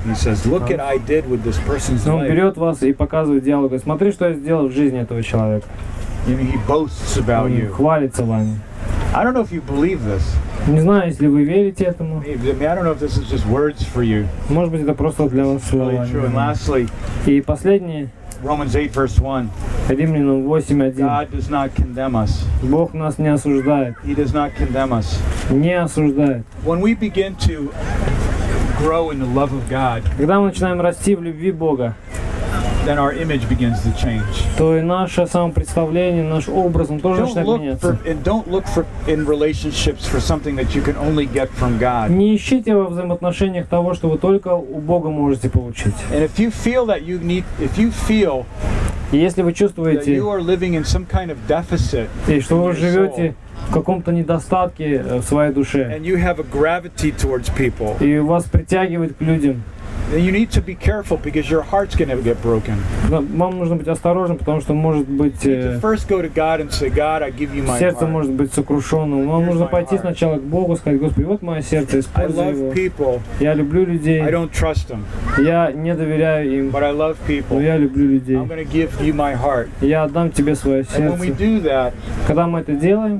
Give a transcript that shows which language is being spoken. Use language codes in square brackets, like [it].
[en] He says, look what I did with this person's life. [ru] Он берет вас и показывает дьяволу, говорит, смотри, что я сделал в жизни этого человека. [en] And he boasts about you. [ru] Он хвалится вами. [en] I don't know if you believe this. [ru] Не знаю, если вы верите этому. [en] Maybe, I don't know if this is just words for you. [ru] Может быть, это просто для вас слова. [en] And lastly, [ru] и последнее. [en] Romans 8:1. [ru] Римлянам 8:1. [en] God does not condemn us. [ru] Бог нас не осуждает. [en] He does not condemn us. [ru] Не осуждает. [en] When we begin to grow in the love of God, [ru] когда мы начинаем расти в любви Бога, [en] then our image begins to change. [ru] То и наше самопредставление, наш образ, он тоже начинает меняться. [en] And don't look for in relationships for something that you can only get from God. [ru] Не ищите во взаимоотношениях того, что вы только у Бога можете получить. [en] And if you feel that you need, if you feel, [ru] если вы чувствуете, [en] that you are living in some kind of deficit, [ru] и что вы живете в каком-то недостатке в своей душе, [en] and you have a gravity towards people, [ru] и вас притягивает к людям. [en] Then you need to be careful because your heart's going to get broken. [ru] Вам нужно быть осторожным, потому что может быть. [en] You need to first go to God and say, God, I give you my heart. [ru] Сердце может быть сокрушенным. Вам нужно пойти сначала к Богу, сказать, Господи, вот мое сердце, используй его. [en] I love people. [ru] Я люблю людей. [en] I don't trust them. [ru] Я не доверяю им. [en] But I love people. [ru] Но я люблю людей. [en] I'm going to give you my heart. [ru] Я отдам тебе свое сердце. [en] And when we do that, [ru] когда мы это делаем,